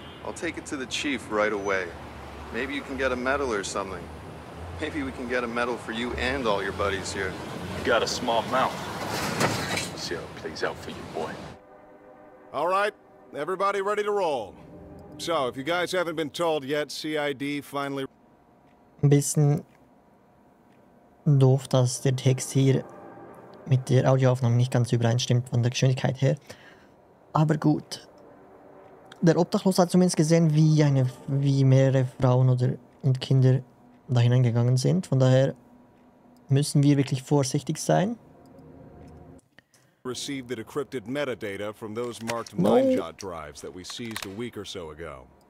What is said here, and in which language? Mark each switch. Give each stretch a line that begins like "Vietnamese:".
English: I'll take it to the chief right away. Maybe you can get a medal or something. Maybe we can get a medal for you and all your buddies here. You got a small mouth. See how it plays out for you, boy. All right, everybody ready to roll. So, if you guys haven't been told yet, CID finally...
German: Ein bisschen doof, dass der Text hier mit der Audioaufnahme nicht ganz übereinstimmt von der Geschwindigkeit her. Aber gut. Der Obdachlose hat zumindest gesehen, wie mehrere Frauen und Kinder da hineingegangen sind. Von daher müssen wir wirklich vorsichtig sein.
English: Received the decrypted metadata from those marked mindshot drives that we seized a week or so ago.